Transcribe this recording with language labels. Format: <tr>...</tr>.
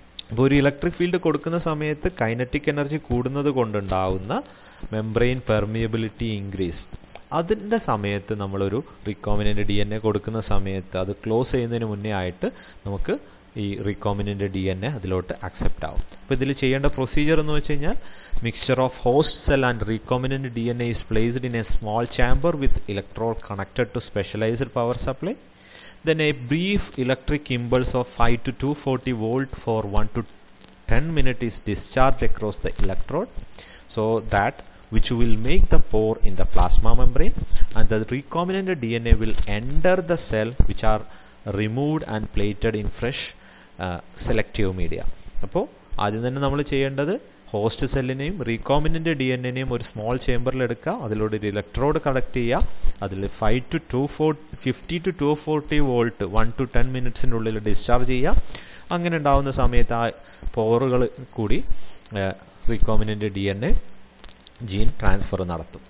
<ml>അപ്പോൾ ഒരു electric field കൊടുക്കുന്ന സമയത്ത് കൈനറ്റിക് എനർജി കൂടുന്നത് കൊണ്ടുണ്ടാവുന്ന മെംബ്രെയിൻ പെർമിയബിലിറ്റി ഇൻക്രീസ്, അതിൻ്റെ സമയത്ത് നമ്മളൊരു റീകോമ്പിനന്റ് ഡി എൻ എ കൊടുക്കുന്ന സമയത്ത് അത് ക്ലോസ് ചെയ്യുന്നതിന് മുന്നേ ആയിട്ട് നമുക്ക് ഈ റീകോമ്പിനന്റ് ഡി എൻ എ അതിലോട്ട് അക്സെപ്റ്റ് ആവും. അപ്പോൾ ഇതിൽ ചെയ്യേണ്ട പ്രൊസീജർ എന്ന് വെച്ച് കഴിഞ്ഞാൽ,</ml> <en>Mixture of host cell and recombinant D N A is placed in a small chamber with electrode connected to specialised power supply. Then a brief electric impulse of 5 to 240 volt for 1 to 10 minute is discharged across the electrode, so that which will make the pore in the plasma membrane, and the recombinant DNA will enter the cell, which are removed and plated in fresh selective media.</en> <ml>Appo adin thanne nammal cheyandathu host സെല്ലിനെയും recombinant D N എനെയും ഒരു small ചേമ്പറിൽ എടുക്കുക, അതിലൂടെ ഒരു electrode collect ചെയ്യുക, അതിൽ 50 to 240 volt 1 to 10 മിനിറ്റ്സിൻ്റെ ഉള്ളിൽ discharge ചെയ്യുക. അങ്ങനെ ഉണ്ടാവുന്ന സമയത്ത് ആ പോറുകൾ കൂടി recombinant D N A gene transfer നടത്തും.</ml>